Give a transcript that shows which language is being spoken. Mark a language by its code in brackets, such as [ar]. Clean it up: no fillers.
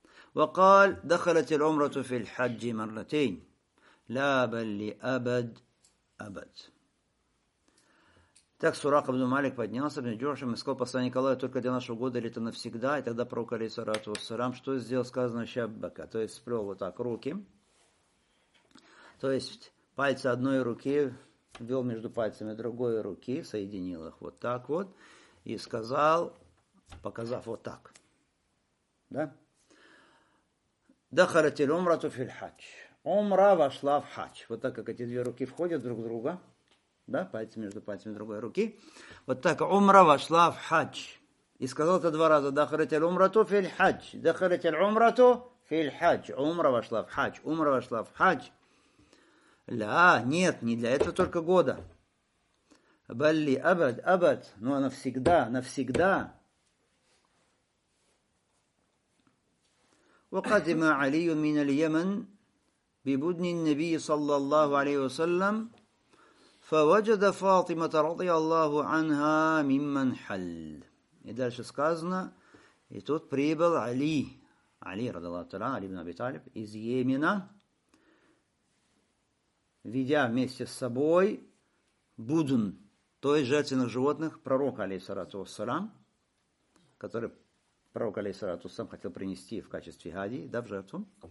[ar] وقال دخلت العمرة في الحج مرتين لا بل لأبد أبد. [ru] Так Сурак ибн Малик поднялся, ибн Джушум, и сказал посланник Аллаха, только для нашего года или это навсегда. И тогда пророк алейхиссалату вассалям, что сделал, сказано, шаббака, то есть сплел вот так руки, то есть пальцы одной руки ввел между пальцами другой руки, соединил их вот так вот и сказал, показав вот так, да? Дахарат аль-умрату филь хадж. Умра вошла в хадж. Вот так как эти две руки входят друг в друга, да, пальцы между пальцами другой руки. Вот так умра вошла в хадж. И сказал это два раза: дахарат аль-умрату филь хадж. Дахарат аль-умрату филь хадж. Умра вошла в хадж. Умра вошла в хадж. Ла, нет, не для этого только года. Балли абад абад, но навсегда, навсегда. [ar] وقدم علي من اليمن ببدن النبي صلى الله عليه وسلم فوجد فاطمة رضي الله عنها ممن حل. [ru] И дальше сказано, и тут прибыл Али, Али [ar] رضي الله تعالى عنه, [ru] Али ибн Аби Талиб, из Йемена, ведя вместе с собой будн, то есть жертвенных животных пророка алейхиссалату вассалям, который пророк алейхиссалату сам хотел принести в качестве хадии, да, в жертву.